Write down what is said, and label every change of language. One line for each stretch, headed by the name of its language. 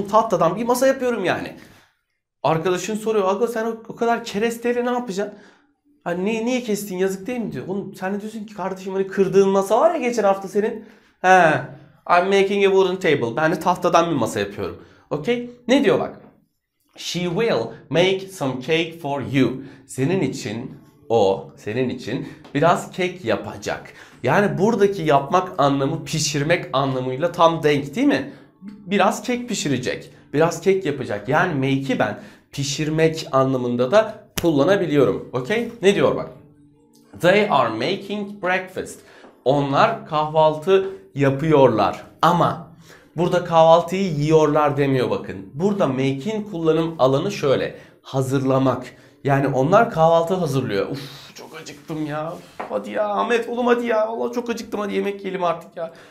Turkish: Oğlum tahtadan bir masa yapıyorum yani. Arkadaşın soruyor. Aga sen o kadar keresteyle ne yapacaksın? Hani niye kestin, yazık değil mi diyor. Oğlum sen ne diyorsun ki kardeşim, hani kırdığın masa var ya geçen hafta senin.
English: He, I'm making a wooden table.
Turkish: Ben de tahtadan bir masa yapıyorum. Okay? Ne diyor bak?
English: She will make some cake for you.
Turkish: Senin için, o senin için biraz kek yapacak. Yani buradaki yapmak anlamı pişirmek anlamıyla tam denk değil mi? Biraz kek pişirecek, biraz kek yapacak. Yani make'i ben pişirmek anlamında da kullanabiliyorum. Okay? Ne diyor bak?
English: They are making breakfast.
Turkish: Onlar kahvaltı yapıyorlar ama... Burada kahvaltıyı yiyorlar demiyor bakın. Burada make'in kullanım alanı şöyle. Hazırlamak. Yani onlar kahvaltı hazırlıyor. Uf, çok acıktım ya. Hadi ya Ahmet oğlum, hadi ya. Vallahi çok acıktım, hadi yemek yiyelim artık ya.